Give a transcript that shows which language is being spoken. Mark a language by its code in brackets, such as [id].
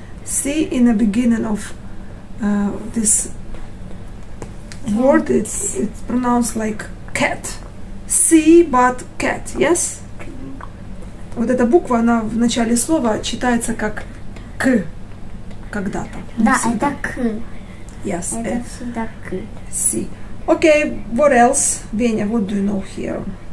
[en] C in the beginning of this word, it's pronounced like cat. C, but cat, yes? [ru] Вот эта буква, она в начале слова читается как К, когда-то. Да, это К. [en] Yes. [ru] Это всегда К. [en] C. Okay, what else, Venya, what do you know here?